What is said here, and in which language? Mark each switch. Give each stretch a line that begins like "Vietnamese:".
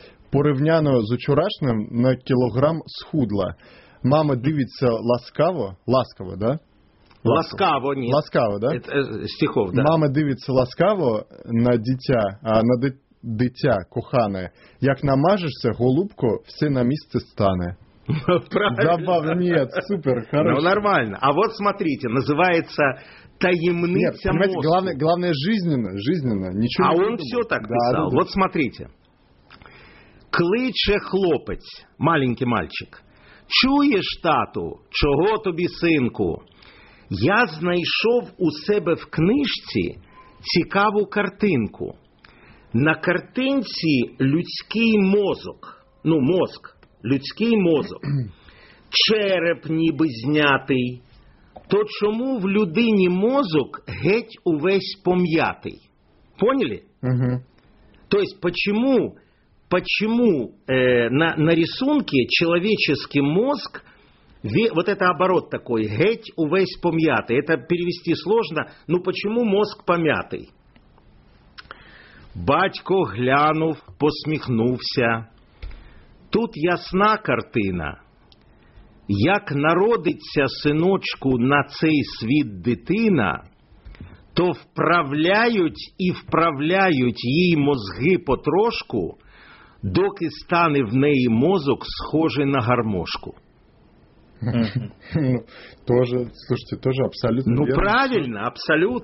Ukrainian: Порівняно з учорашним на кілограм схудла. Мама дивиться ласкаво, ласкаво, да? Ласкаво, ні. Ласкаво, да?
Russian: Стихов, да.
Ukrainian: Мама дивиться ласкаво на дитя, а на дитя кохане. Як намажешся, голубко, все на місце стане.
Russian: Забавно, нет, супер, хорошо. Ну, нормально. А вот смотрите, называется «Таємниця мозку». Главное жизненно, ничего. А не он все так писал. Да. Вот смотрите.
Ukrainian: Кличе хлопець,
Russian: маленький мальчик.
Ukrainian: Чуєш, тату, чого тобі, синку? Я знайшов у себе в книжці цікаву картинку. На картинці людський мозок, ну, мозк. Людський мозок, череп ніби знятий, то чому в людині мозок геть увесь пом'ятий?
Russian: Поняли? Угу. Тобто, почему на рисунке человеческий мозг, вот это оборот такой,
Ukrainian: геть увесь пом'ятий,
Russian: это перевести сложно, ну почему мозг
Ukrainian: пом'ятий? Батько глянув, посміхнувся. Тут ясна картина, як народиться синочку на цей світ дитина, то вправляють і вправляють їй мозги потрошку, доки стане в неї мозок схожий на гармошку.
Russian: Ну, тоже, слушайте, тоже абсолютно ну, верно. Ну, правильно, абсолютно.